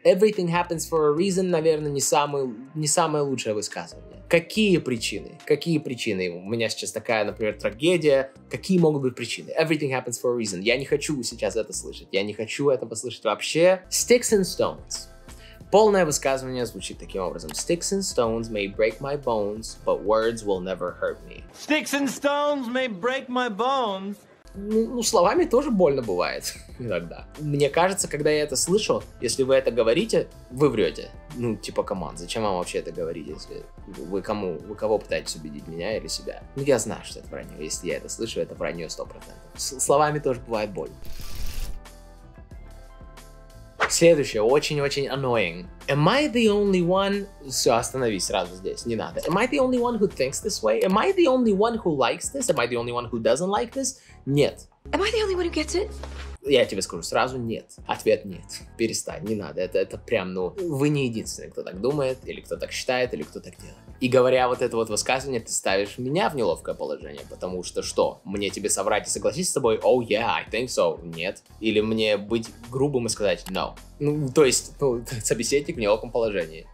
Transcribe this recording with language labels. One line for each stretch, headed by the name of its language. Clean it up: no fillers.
English: Everything happens for a reason,
Russian: наверное, не самое лучшее высказывание. Какие причины? У меня сейчас такая, например, трагедия. Какие могут быть причины?
English: Everything happens for a reason.
Russian: Я не хочу сейчас это слышать. Я не хочу этого слышать вообще.
English: Sticks and stones.
Russian: Полное высказывание звучит таким образом.
English: Sticks and stones may break my bones, but words will never hurt me. Sticks and stones may break my bones.
Russian: Ну, словами тоже больно бывает иногда. Мне кажется, когда я это слышу, если вы это говорите, вы врете. Ну, типа, камон, зачем вам вообще это говорить, если вы кому, вы кого пытаетесь убедить, меня или себя? Ну, я знаю, что это вранье. Если я это слышу, это вранье 100%. Словами тоже бывает больно. Следующее, очень-очень annoying.
English: Am I the only one...
Russian: Все, остановись сразу здесь, не надо.
English: Am I the only one who thinks this way? Am I the only one who likes this? Am I the only one who doesn't like this?
Russian: Нет.
English: Am I the only one who gets it?
Russian: Я тебе скажу сразу нет. Ответ нет. Перестань, не надо. Это прям, ну, вы не единственный, кто так думает, или кто так считает, или кто так делает. И говоря вот это вот высказывание, ты ставишь меня в неловкое положение, потому что что? Мне тебе соврать и согласиться с тобой?
English: Oh yeah, I think so. Нет.
Russian: Или мне быть грубым и сказать no. Ну, то есть, ну, собеседник в неловком положении.